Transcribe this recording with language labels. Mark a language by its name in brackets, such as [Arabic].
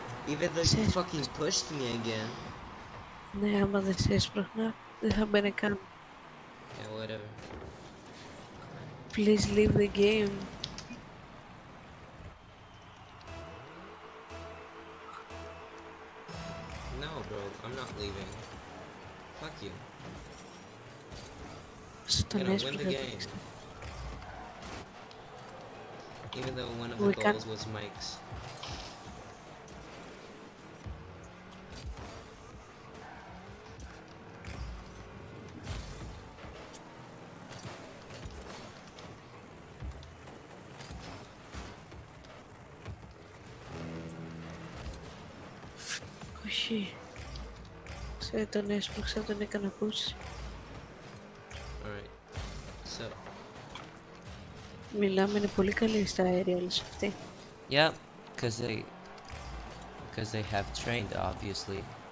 [English] Even though he fucking pushed me again. [Greek] Ναι, άμα δεν σε έσπρωχνα, δεν θα μπαινε καν. [English] Yeah, whatever. Please leave the game. No, bro, I'm not leaving. Fuck you. [Greek] Στον έσπρωχνα. [English] Even though one of the goals was Mike's. [Greek] Τον έσπρωξα, τον έκανα πούς. [English] Alright, so [Greek] μιλάμε, είναι πολύ καλή στα aerials αυτή. [English] Yeah, because they have trained, obviously.